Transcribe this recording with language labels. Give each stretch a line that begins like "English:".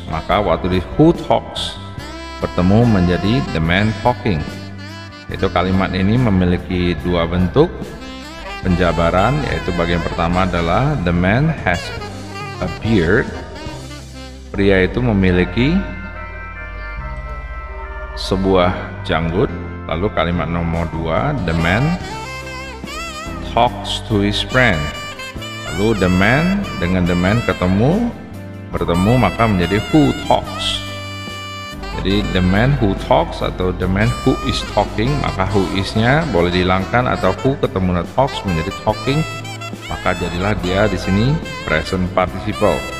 Indonesian: Maka waktu di
English: who talks
Indonesian: bertemu menjadi
English: the man talking.
Indonesian: Itu kalimat ini memiliki dua bentuk penjabaran, yaitu bagian pertama adalah
English: the man has a beard.
Indonesian: Pria itu memiliki sebuah janggut. Lalu kalimat nomor dua,
English: the man talks to his friend.
Indonesian: Lalu the man dengan the man bertemu maka menjadi who talks. Jadi
English: the man who talks
Indonesian: atau
English: the man who is talking,
Indonesian: maka who is-nya boleh dihilangkan atau who ketemu dengan talks menjadi talking, maka jadilah dia di sini present participle.